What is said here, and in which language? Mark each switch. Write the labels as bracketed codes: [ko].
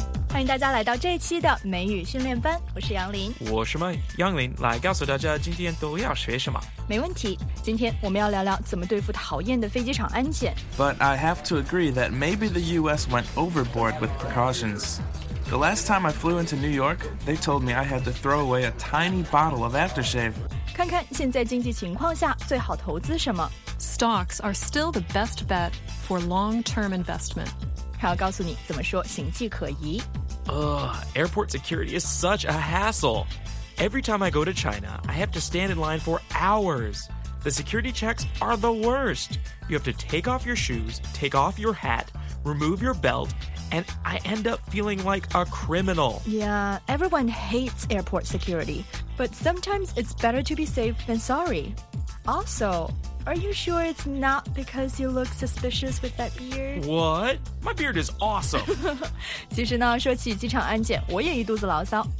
[zh] 欢迎大家来到这期的美语训练班，我是杨林。我是麦杨林，来告诉大家今天都要学什么。没问题，今天我们要聊聊怎么对付讨厌的飞机场安检。 [en] But I have to agree that maybe the US went overboard with precautions. The last time I flew into New York, they told me I had to throw away a tiny bottle of aftershave. [zh] 看看现在经济情况下最好投资什么。 [en] Stocks are still the best bet for long-term investment. [zh] 还要告诉你怎么说行迹可疑。 [en] Airport security is such a hassle. Every time I go to China, I have to stand in line for hours. The security checks are the worst. You have to take off your shoes, take off your hat, remove your belt, and I end up feeling like a criminal. Yeah, everyone hates airport security, but sometimes it's better to be safe than sorry. Also... Are you sure it's not because you look suspicious with that beard? What? My beard is awesome! [zh] 其实呢，说起机场安检，我也一肚子牢骚。